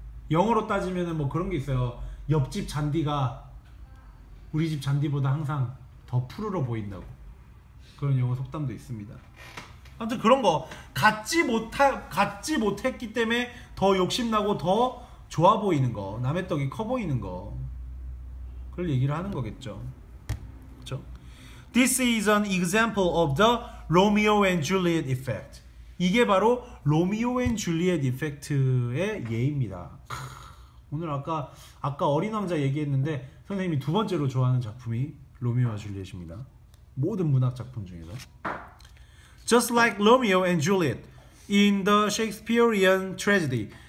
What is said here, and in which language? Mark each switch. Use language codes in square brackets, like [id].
[ko] 영어로 따지면 뭐 그런 게 있어요. 옆집 잔디가 우리 집 잔디보다 항상 더 푸르러 보인다고, 그런 영어 속담도 있습니다. 아무튼 그런 거, 갖지 못했기 때문에 더 욕심나고 더 좋아 보이는 거, 남의 떡이 커 보이는 거, 그걸 얘기를 하는 거겠죠. 그렇죠? [en] This is an example of the Romeo and Juliet effect. [ko] 이게 바로 Romeo and Juliet effect의 예입니다. 오늘 아까 어린 왕자 얘기했는데 선생님이 두 번째로 좋아하는 작품이 로미오와 줄리엣입니다. 모든 문학 작품 중에서. [en] Just like Romeo and Juliet in the Shakespearean tragedy.